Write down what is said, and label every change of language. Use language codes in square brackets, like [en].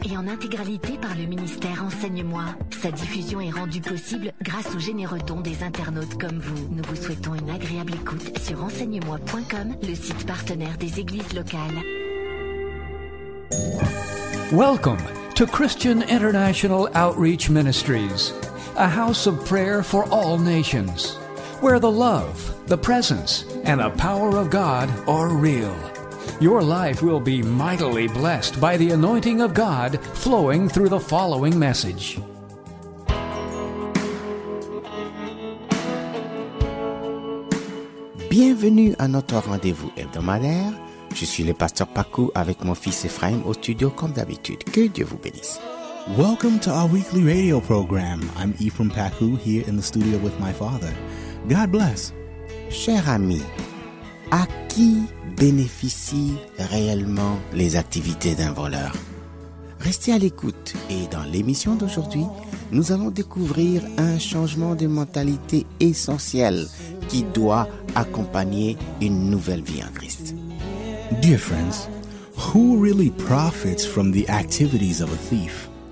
[fr] Et en intégralité par le ministère Enseigne-moi. Sa diffusion est rendue possible grâce aux généreux dons des internautes comme vous. Nous vous souhaitons une agréable écoute sur enseignemoi.com, le site partenaire des églises locales. [en] Welcome to Christian International Outreach Ministries, a house of prayer for all nations, where the love, the presence, and the power of God are real. Your life will be mightily blessed by the anointing of God flowing through the following message. [fr] Bienvenue à notre rendez-vous hebdomadaire. Je suis le pasteur Paco avec mon fils Ephraim au studio comme d'habitude. Que Dieu vous bénisse. [en] Welcome to our weekly radio program. I'm Ephraim Paco here in the studio with my father. God bless. [fr] Cher ami, à qui bénéficient réellement les activités d'un voleur? Restez à l'écoute et dans l'émission d'aujourd'hui, nous allons découvrir un changement de mentalité essentiel qui doit accompagner une nouvelle vie en Christ. [en] Dear friends, who really profits from the activities of a thief?